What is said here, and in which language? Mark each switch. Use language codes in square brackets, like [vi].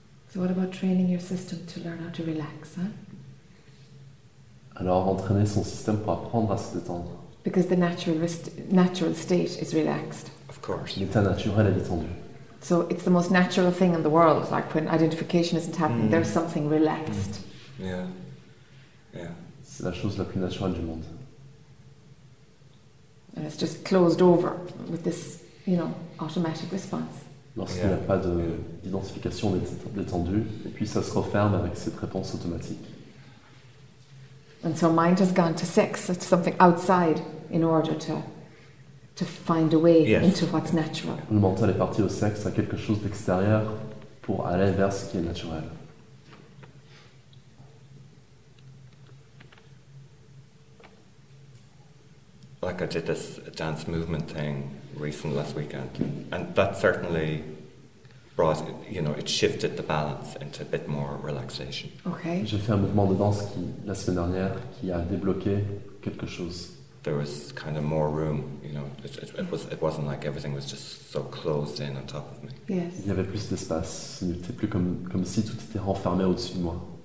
[en] So what about training your system to learn how to relax, huh? [fr] Alors entraîner son système pour apprendre à se détendre. [en] Because the natural state is relaxed. Of course. [fr] L'état naturel est détendu. [en] So it's the most natural thing in the world, like when identification isn't happening, there's something relaxed. Yeah. [fr] C'est la chose la plus naturelle du monde. [en] And it's just closed over with this, you know, automatic response. [fr] Lorsqu'il n'y a pas d'identification détendue, et puis ça se referme avec cette réponse automatique. [en] And so mind has gone to sex, to something outside, in order to find a way into what's natural. [fr] Le mental est parti au sexe, à quelque chose d'extérieur, pour aller vers ce qui est naturel. [en] Like I did this dance movement thing recently last weekend, and that certainly brought, you know, it shifted the balance into a bit more relaxation. Okay. [fr] J'ai fait un mouvement de danse qui, la semaine dernière, qui a débloqué quelque chose. [en] There was kind of more room, you know, it wasn't like everything was just so closed in on top of me. Yes. [fr] Il y avait plus d'espace, ce n'était plus comme si tout était renfermé au-dessus de moi.